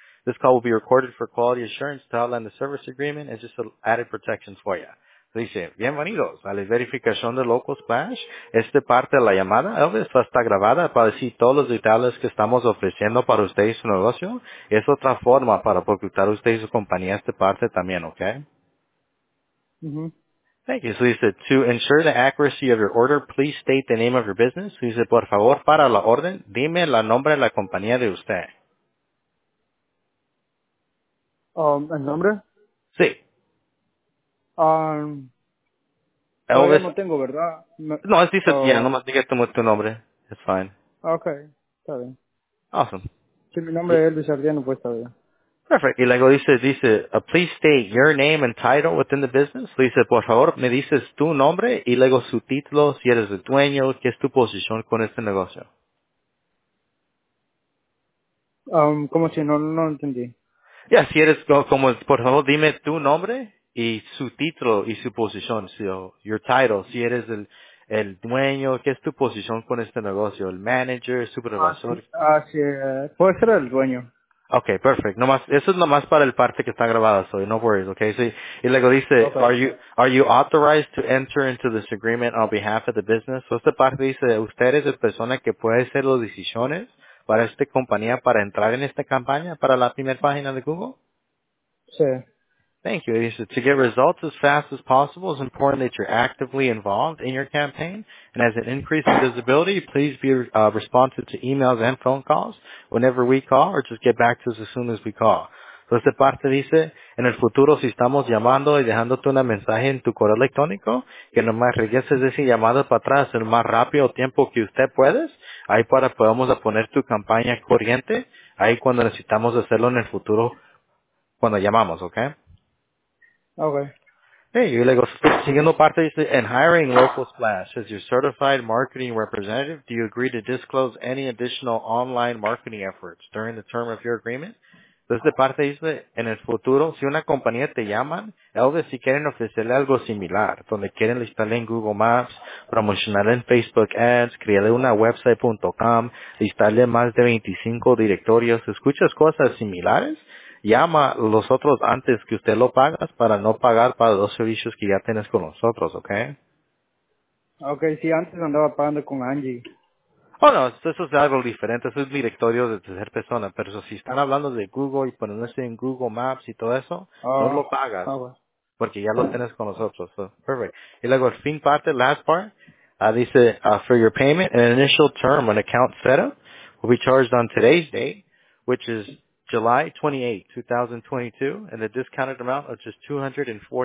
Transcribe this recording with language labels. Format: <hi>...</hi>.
<en>This call will be recorded for quality assurance to outline the service agreement and just added protections for you.</en> <es>Dice, bienvenidos a la verificación de Local Splash. Esta parte de la llamada, Elvis, va a estar grabada para decir todos los detalles que estamos ofreciendo para usted y su negocio. Es otra forma para publicitar a usted y su compañía esta parte también, ¿ok? Mm-hmm.</es> <en>Thank you. So dice, to ensure the accuracy of your order, please state the name of your business.</en> <es>So dice, por favor, para la orden, dime el nombre de la compañía de usted. ¿El nombre? Sí. Elvis, no tengo, ¿verdad? No, así se tiene, nomás dije tu nombre.</es> <en>It's fine.</en> <es>Okay, está bien.</es> <en>Awesome.</en> <es>Si mi nombre es Elvis Ardiano, pues está bien.</es> <en>Perfect.</en> <es>Y luego dice,</es> <en>please state your name and title within the business.</en> <es>Dice, por favor, me dices tu nombre y luego su título, si eres el dueño, qué es tu posición con este negocio. ¿Cómo si no entendí? Ya, yeah, si eres como, por favor, dime tu nombre y su título y su posición, si,</es> <en>your title,</en> <es>si eres el dueño, ¿qué es tu posición con este negocio? ¿El manager, supervisor? Sí, puede ser el dueño. Okay, perfect. Nomás, eso es nomás para el parte que está grabada,</es> <en>so no worries, okay?</en> <es>So, y luego dice, okay.</es> <en>Are you authorized to enter into this agreement on behalf of the business?</en> <es>So esta parte dice, usted es la persona que puede hacer las decisiones para esta compañía para entrar en esta campaña para la primera página de Google? Sí.</es> <en>Thank you. To get results as fast as possible, it's important that you're actively involved in your campaign. And as it increases visibility, please be responsive to emails and phone calls whenever we call, or just get back to us as soon as we call.</en> <es>So esta parte dice, en el futuro, si estamos llamando y dejándote un mensaje en tu correo electrónico, que nomás regreses ese llamado para atrás el más rápido tiempo que usted puedes, ahí para podamos poner tu campaña corriente, ahí cuando necesitamos hacerlo en el futuro, cuando llamamos, ¿ok?</es> <en>Okay.</en> <es>Hey, y luego, siguiendo parte dice,</es> <en>in hiring Local Splash as your certified marketing representative, do you agree to disclose any additional online marketing efforts during the term of your agreement?</en> <es>Entonces, de parte dice, en el futuro, si una compañía te llama, Elvis, si quieren ofrecerle algo similar, donde quieren listarle en Google Maps, promocionarle en Facebook Ads, crearle una website.com, listarle más de 25 directorios, ¿escuchas cosas similares? Llama los otros antes que usted lo pagas para no pagar para los servicios que ya tienes con nosotros, ¿ok? Ok, sí, antes andaba pagando con Angie. Oh, no, eso es algo diferente, eso es directorio de tercera persona, pero si están hablando de Google y poniéndose en Google Maps y todo eso, no lo pagas, porque ya lo tienes con nosotros,</es> <en>so, perfect.</en> <es>Y luego el fin parte,</es> <en>last part, dice, for your payment, an initial term, an account setup, will be charged on today's date, which is July 28, 2022, and the discounted amount of just $249.</en>